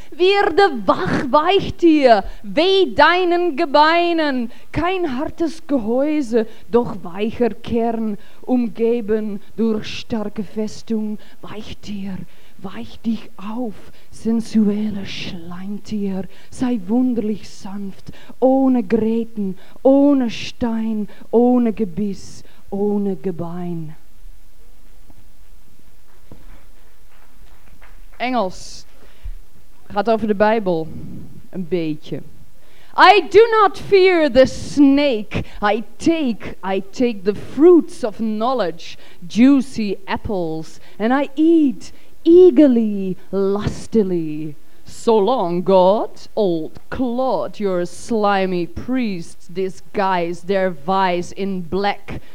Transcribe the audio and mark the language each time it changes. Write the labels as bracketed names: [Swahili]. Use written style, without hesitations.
[German] Werde wach, Weichtier, weh deinen Gebeinen, kein hartes Gehäuse, doch weicher Kern, umgeben durch starke Festung. Weichtier, weich dich auf, sensuelle Schleimtier, sei wunderlich sanft, ohne Gräten, ohne Stein, ohne Gebiss, ohne Gebein. [Dutch] Engels, gaat over de Bijbel, een beetje. [English] I do not fear the snake, I take the fruits of knowledge, juicy apples, and I eat eagerly, lustily. So long, God, old Claude, your slimy priests disguise their vice in black.